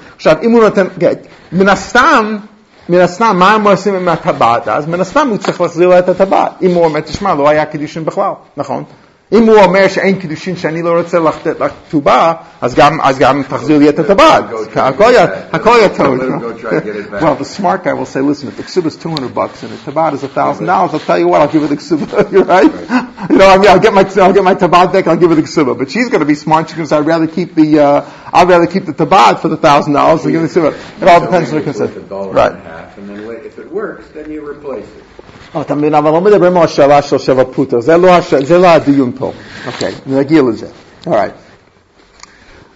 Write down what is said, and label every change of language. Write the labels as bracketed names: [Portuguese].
[Hebrew] עכשיו, אם הוא נותן גט, מן הסתם, מה הם עושים עם הטבעת? אז מן הסתם הוא צריך להחזיר לה את הטבעת. אם הוא אומר, תשמע, לא היה קידושין בכלל, נכון? אם הוא אומר שאין קידושין שאני לא רוצה לתת לך כתובה, אז גם תחזיר לי את הטבעת. הכל יתור. [English] Well, the smart guy will say, listen, if the ksuba is $200 and the טבעת is $1,000, I'll tell you what, I'll give her the ksuba, you're right? You know, I mean, I'll get my טבעת back, I'll give her the ksuba. But she's going to be smart, she goes, I'd rather keep the tabad for the $1,000 than give the ksuba. It all depends on the consent. Right. And then if it works, then you replace it. [Hebrew] אתה מבין, אבל לא מדברים על השאלה של שבע פוטר. זה לא הדיון פה. אוקיי, נגיע לזה. [English] All right.